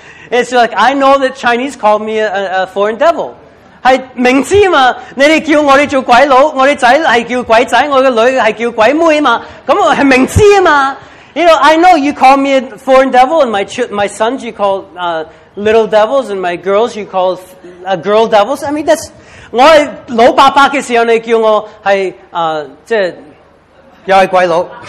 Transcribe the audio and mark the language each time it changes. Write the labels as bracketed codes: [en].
[en] It's like, I know that Chinese call me a foreign devil. [zh] 是明知嘛，你们叫我们做鬼佬，我的仔是叫鬼仔，我的女儿是叫鬼妹嘛，那我是明知嘛。 [en] You know, I know you call me a foreign devil, and my sons you call little devils, and my girls you call girl devils. I mean, that's, [zh] 我是老伯伯的时候你叫我是即是又是鬼佬。